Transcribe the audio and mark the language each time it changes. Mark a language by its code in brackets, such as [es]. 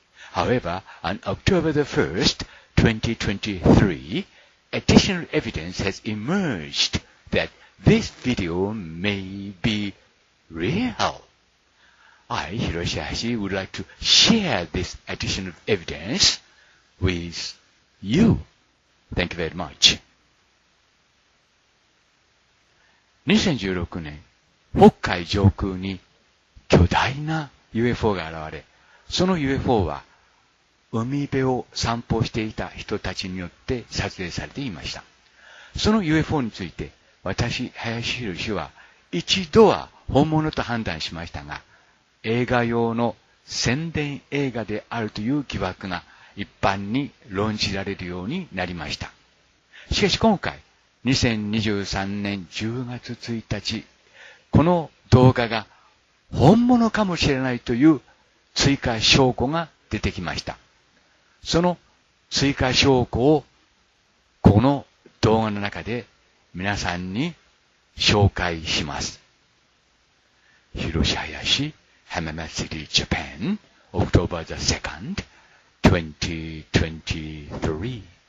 [en] However, on October the 1st, 2023, additional evidence has emerged that this video may be real. I, Hiroshi Hayashi, would like to share this additional evidence with you. Thank you very much. [ja] 2016年、北海上空に巨大な UFO が現れ、その UFO は海辺を散歩していた人たちによって撮影されていました。その UFO について、私、林浩氏は一度は本物と判断しましたが、映画用の宣伝映画であるという疑惑が一般に論じられるようになりました。しかし今回、2023年10月1日、この動画が本物かもしれないという追加証拠が出てきました。その追加証拠をこの動画の中で皆さんに紹介します。 [en] Hiroshi Hayashi, Hamamatsu City, Japan, October the 2nd, 2023.